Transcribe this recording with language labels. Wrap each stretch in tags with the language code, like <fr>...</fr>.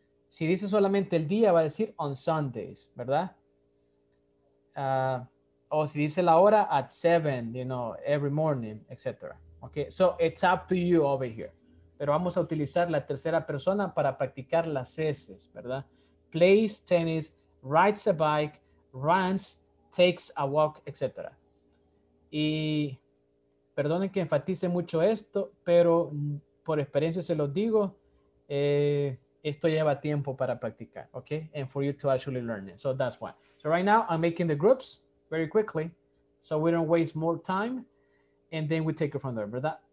<es>Si dice solamente el día, va a decir</es> <en>on Sundays,</en> <es>¿verdad? O si dice la hora,</es> <en>at 7, you know, every morning,</en> <es>etc.</es> <en>Okay, so it's up to you over here.</en> <es>Pero vamos a utilizar la tercera persona para practicar las S's, ¿verdad?</es> <en>Plays tennis, rides a bike, runs, takes a walk, etc.</en> <es>Y perdonen que enfatice mucho esto, pero por experiencia se los digo, esto lleva tiempo para practicar, ¿ok?</es> <en>And for you to actually learn it. So that's why. So right now I'm making the groups very quickly so we don't waste more time and then we take it from there, ¿verdad?</en>